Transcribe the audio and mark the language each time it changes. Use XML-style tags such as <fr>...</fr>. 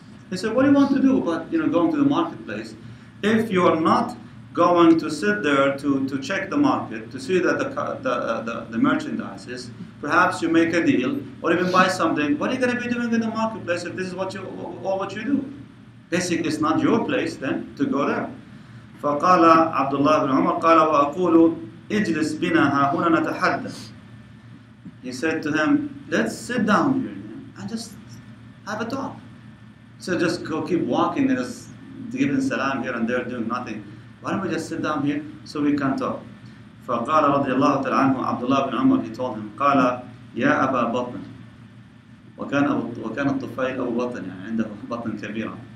<en>He said, what do you want to do about, you know, going to the marketplace if you are not going to sit there to check the market, to see that the merchandise is, perhaps you make a deal, or even buy something, what are you going to be doing in the marketplace if this is what you do? Basically, it's not your place then to go there.</en> <ar>فقال عبد الله بن عمر قال وأقول اجلس بنا ها هنا نتحدث.</ar> <en>He said to him, let's sit down here and just have a talk. So just go keep walking and just giving salam here and there doing nothing. Why don't we just sit down here so we can talk?</en> <ar>فقال رضي الله تعالى عنه عبد الله بن عمر,</ar> <en>he told him,</en> <ar>قال يا أبا بطن وكان الطفيل أبو بطن يعني عنده بطن كبيرة.</ar>